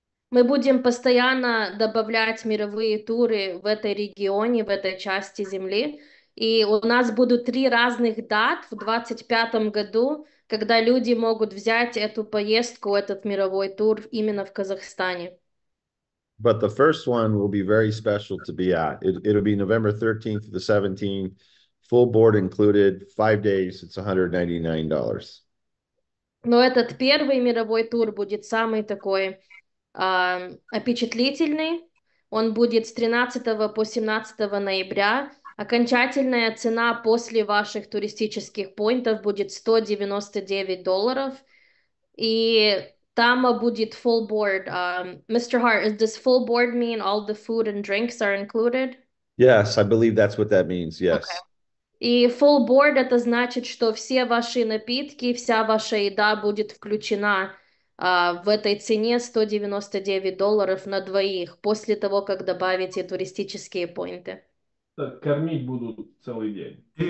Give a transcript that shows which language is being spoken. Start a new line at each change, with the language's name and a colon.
Russian: Мы будем постоянно добавлять мировые туры в этой регионе, в этой части земли. И у нас будут три разных дат в 2025 году, когда люди могут взять эту поездку, этот мировой тур именно в Казахстане.
English: But the first one will be very special to be at. It'll be November 13th to the 17th. Full board included, 5 days, it's $199.
Russian: Но этот первый мировой тур будет самый такой впечатлительный. Он будет с 13 по 17 ноября. Окончательная цена после ваших туристических поинтов будет $199. И там будет full board. Mr.
English: Hart, does full board mean all the food and drinks are included? Yes, I believe that's what that means, yes. Okay.
Russian: И full board, это значит, что все ваши напитки, вся ваша еда будет включена в этой цене $199 на двоих, после того, как добавите туристические поинты. Кормить будут целый день.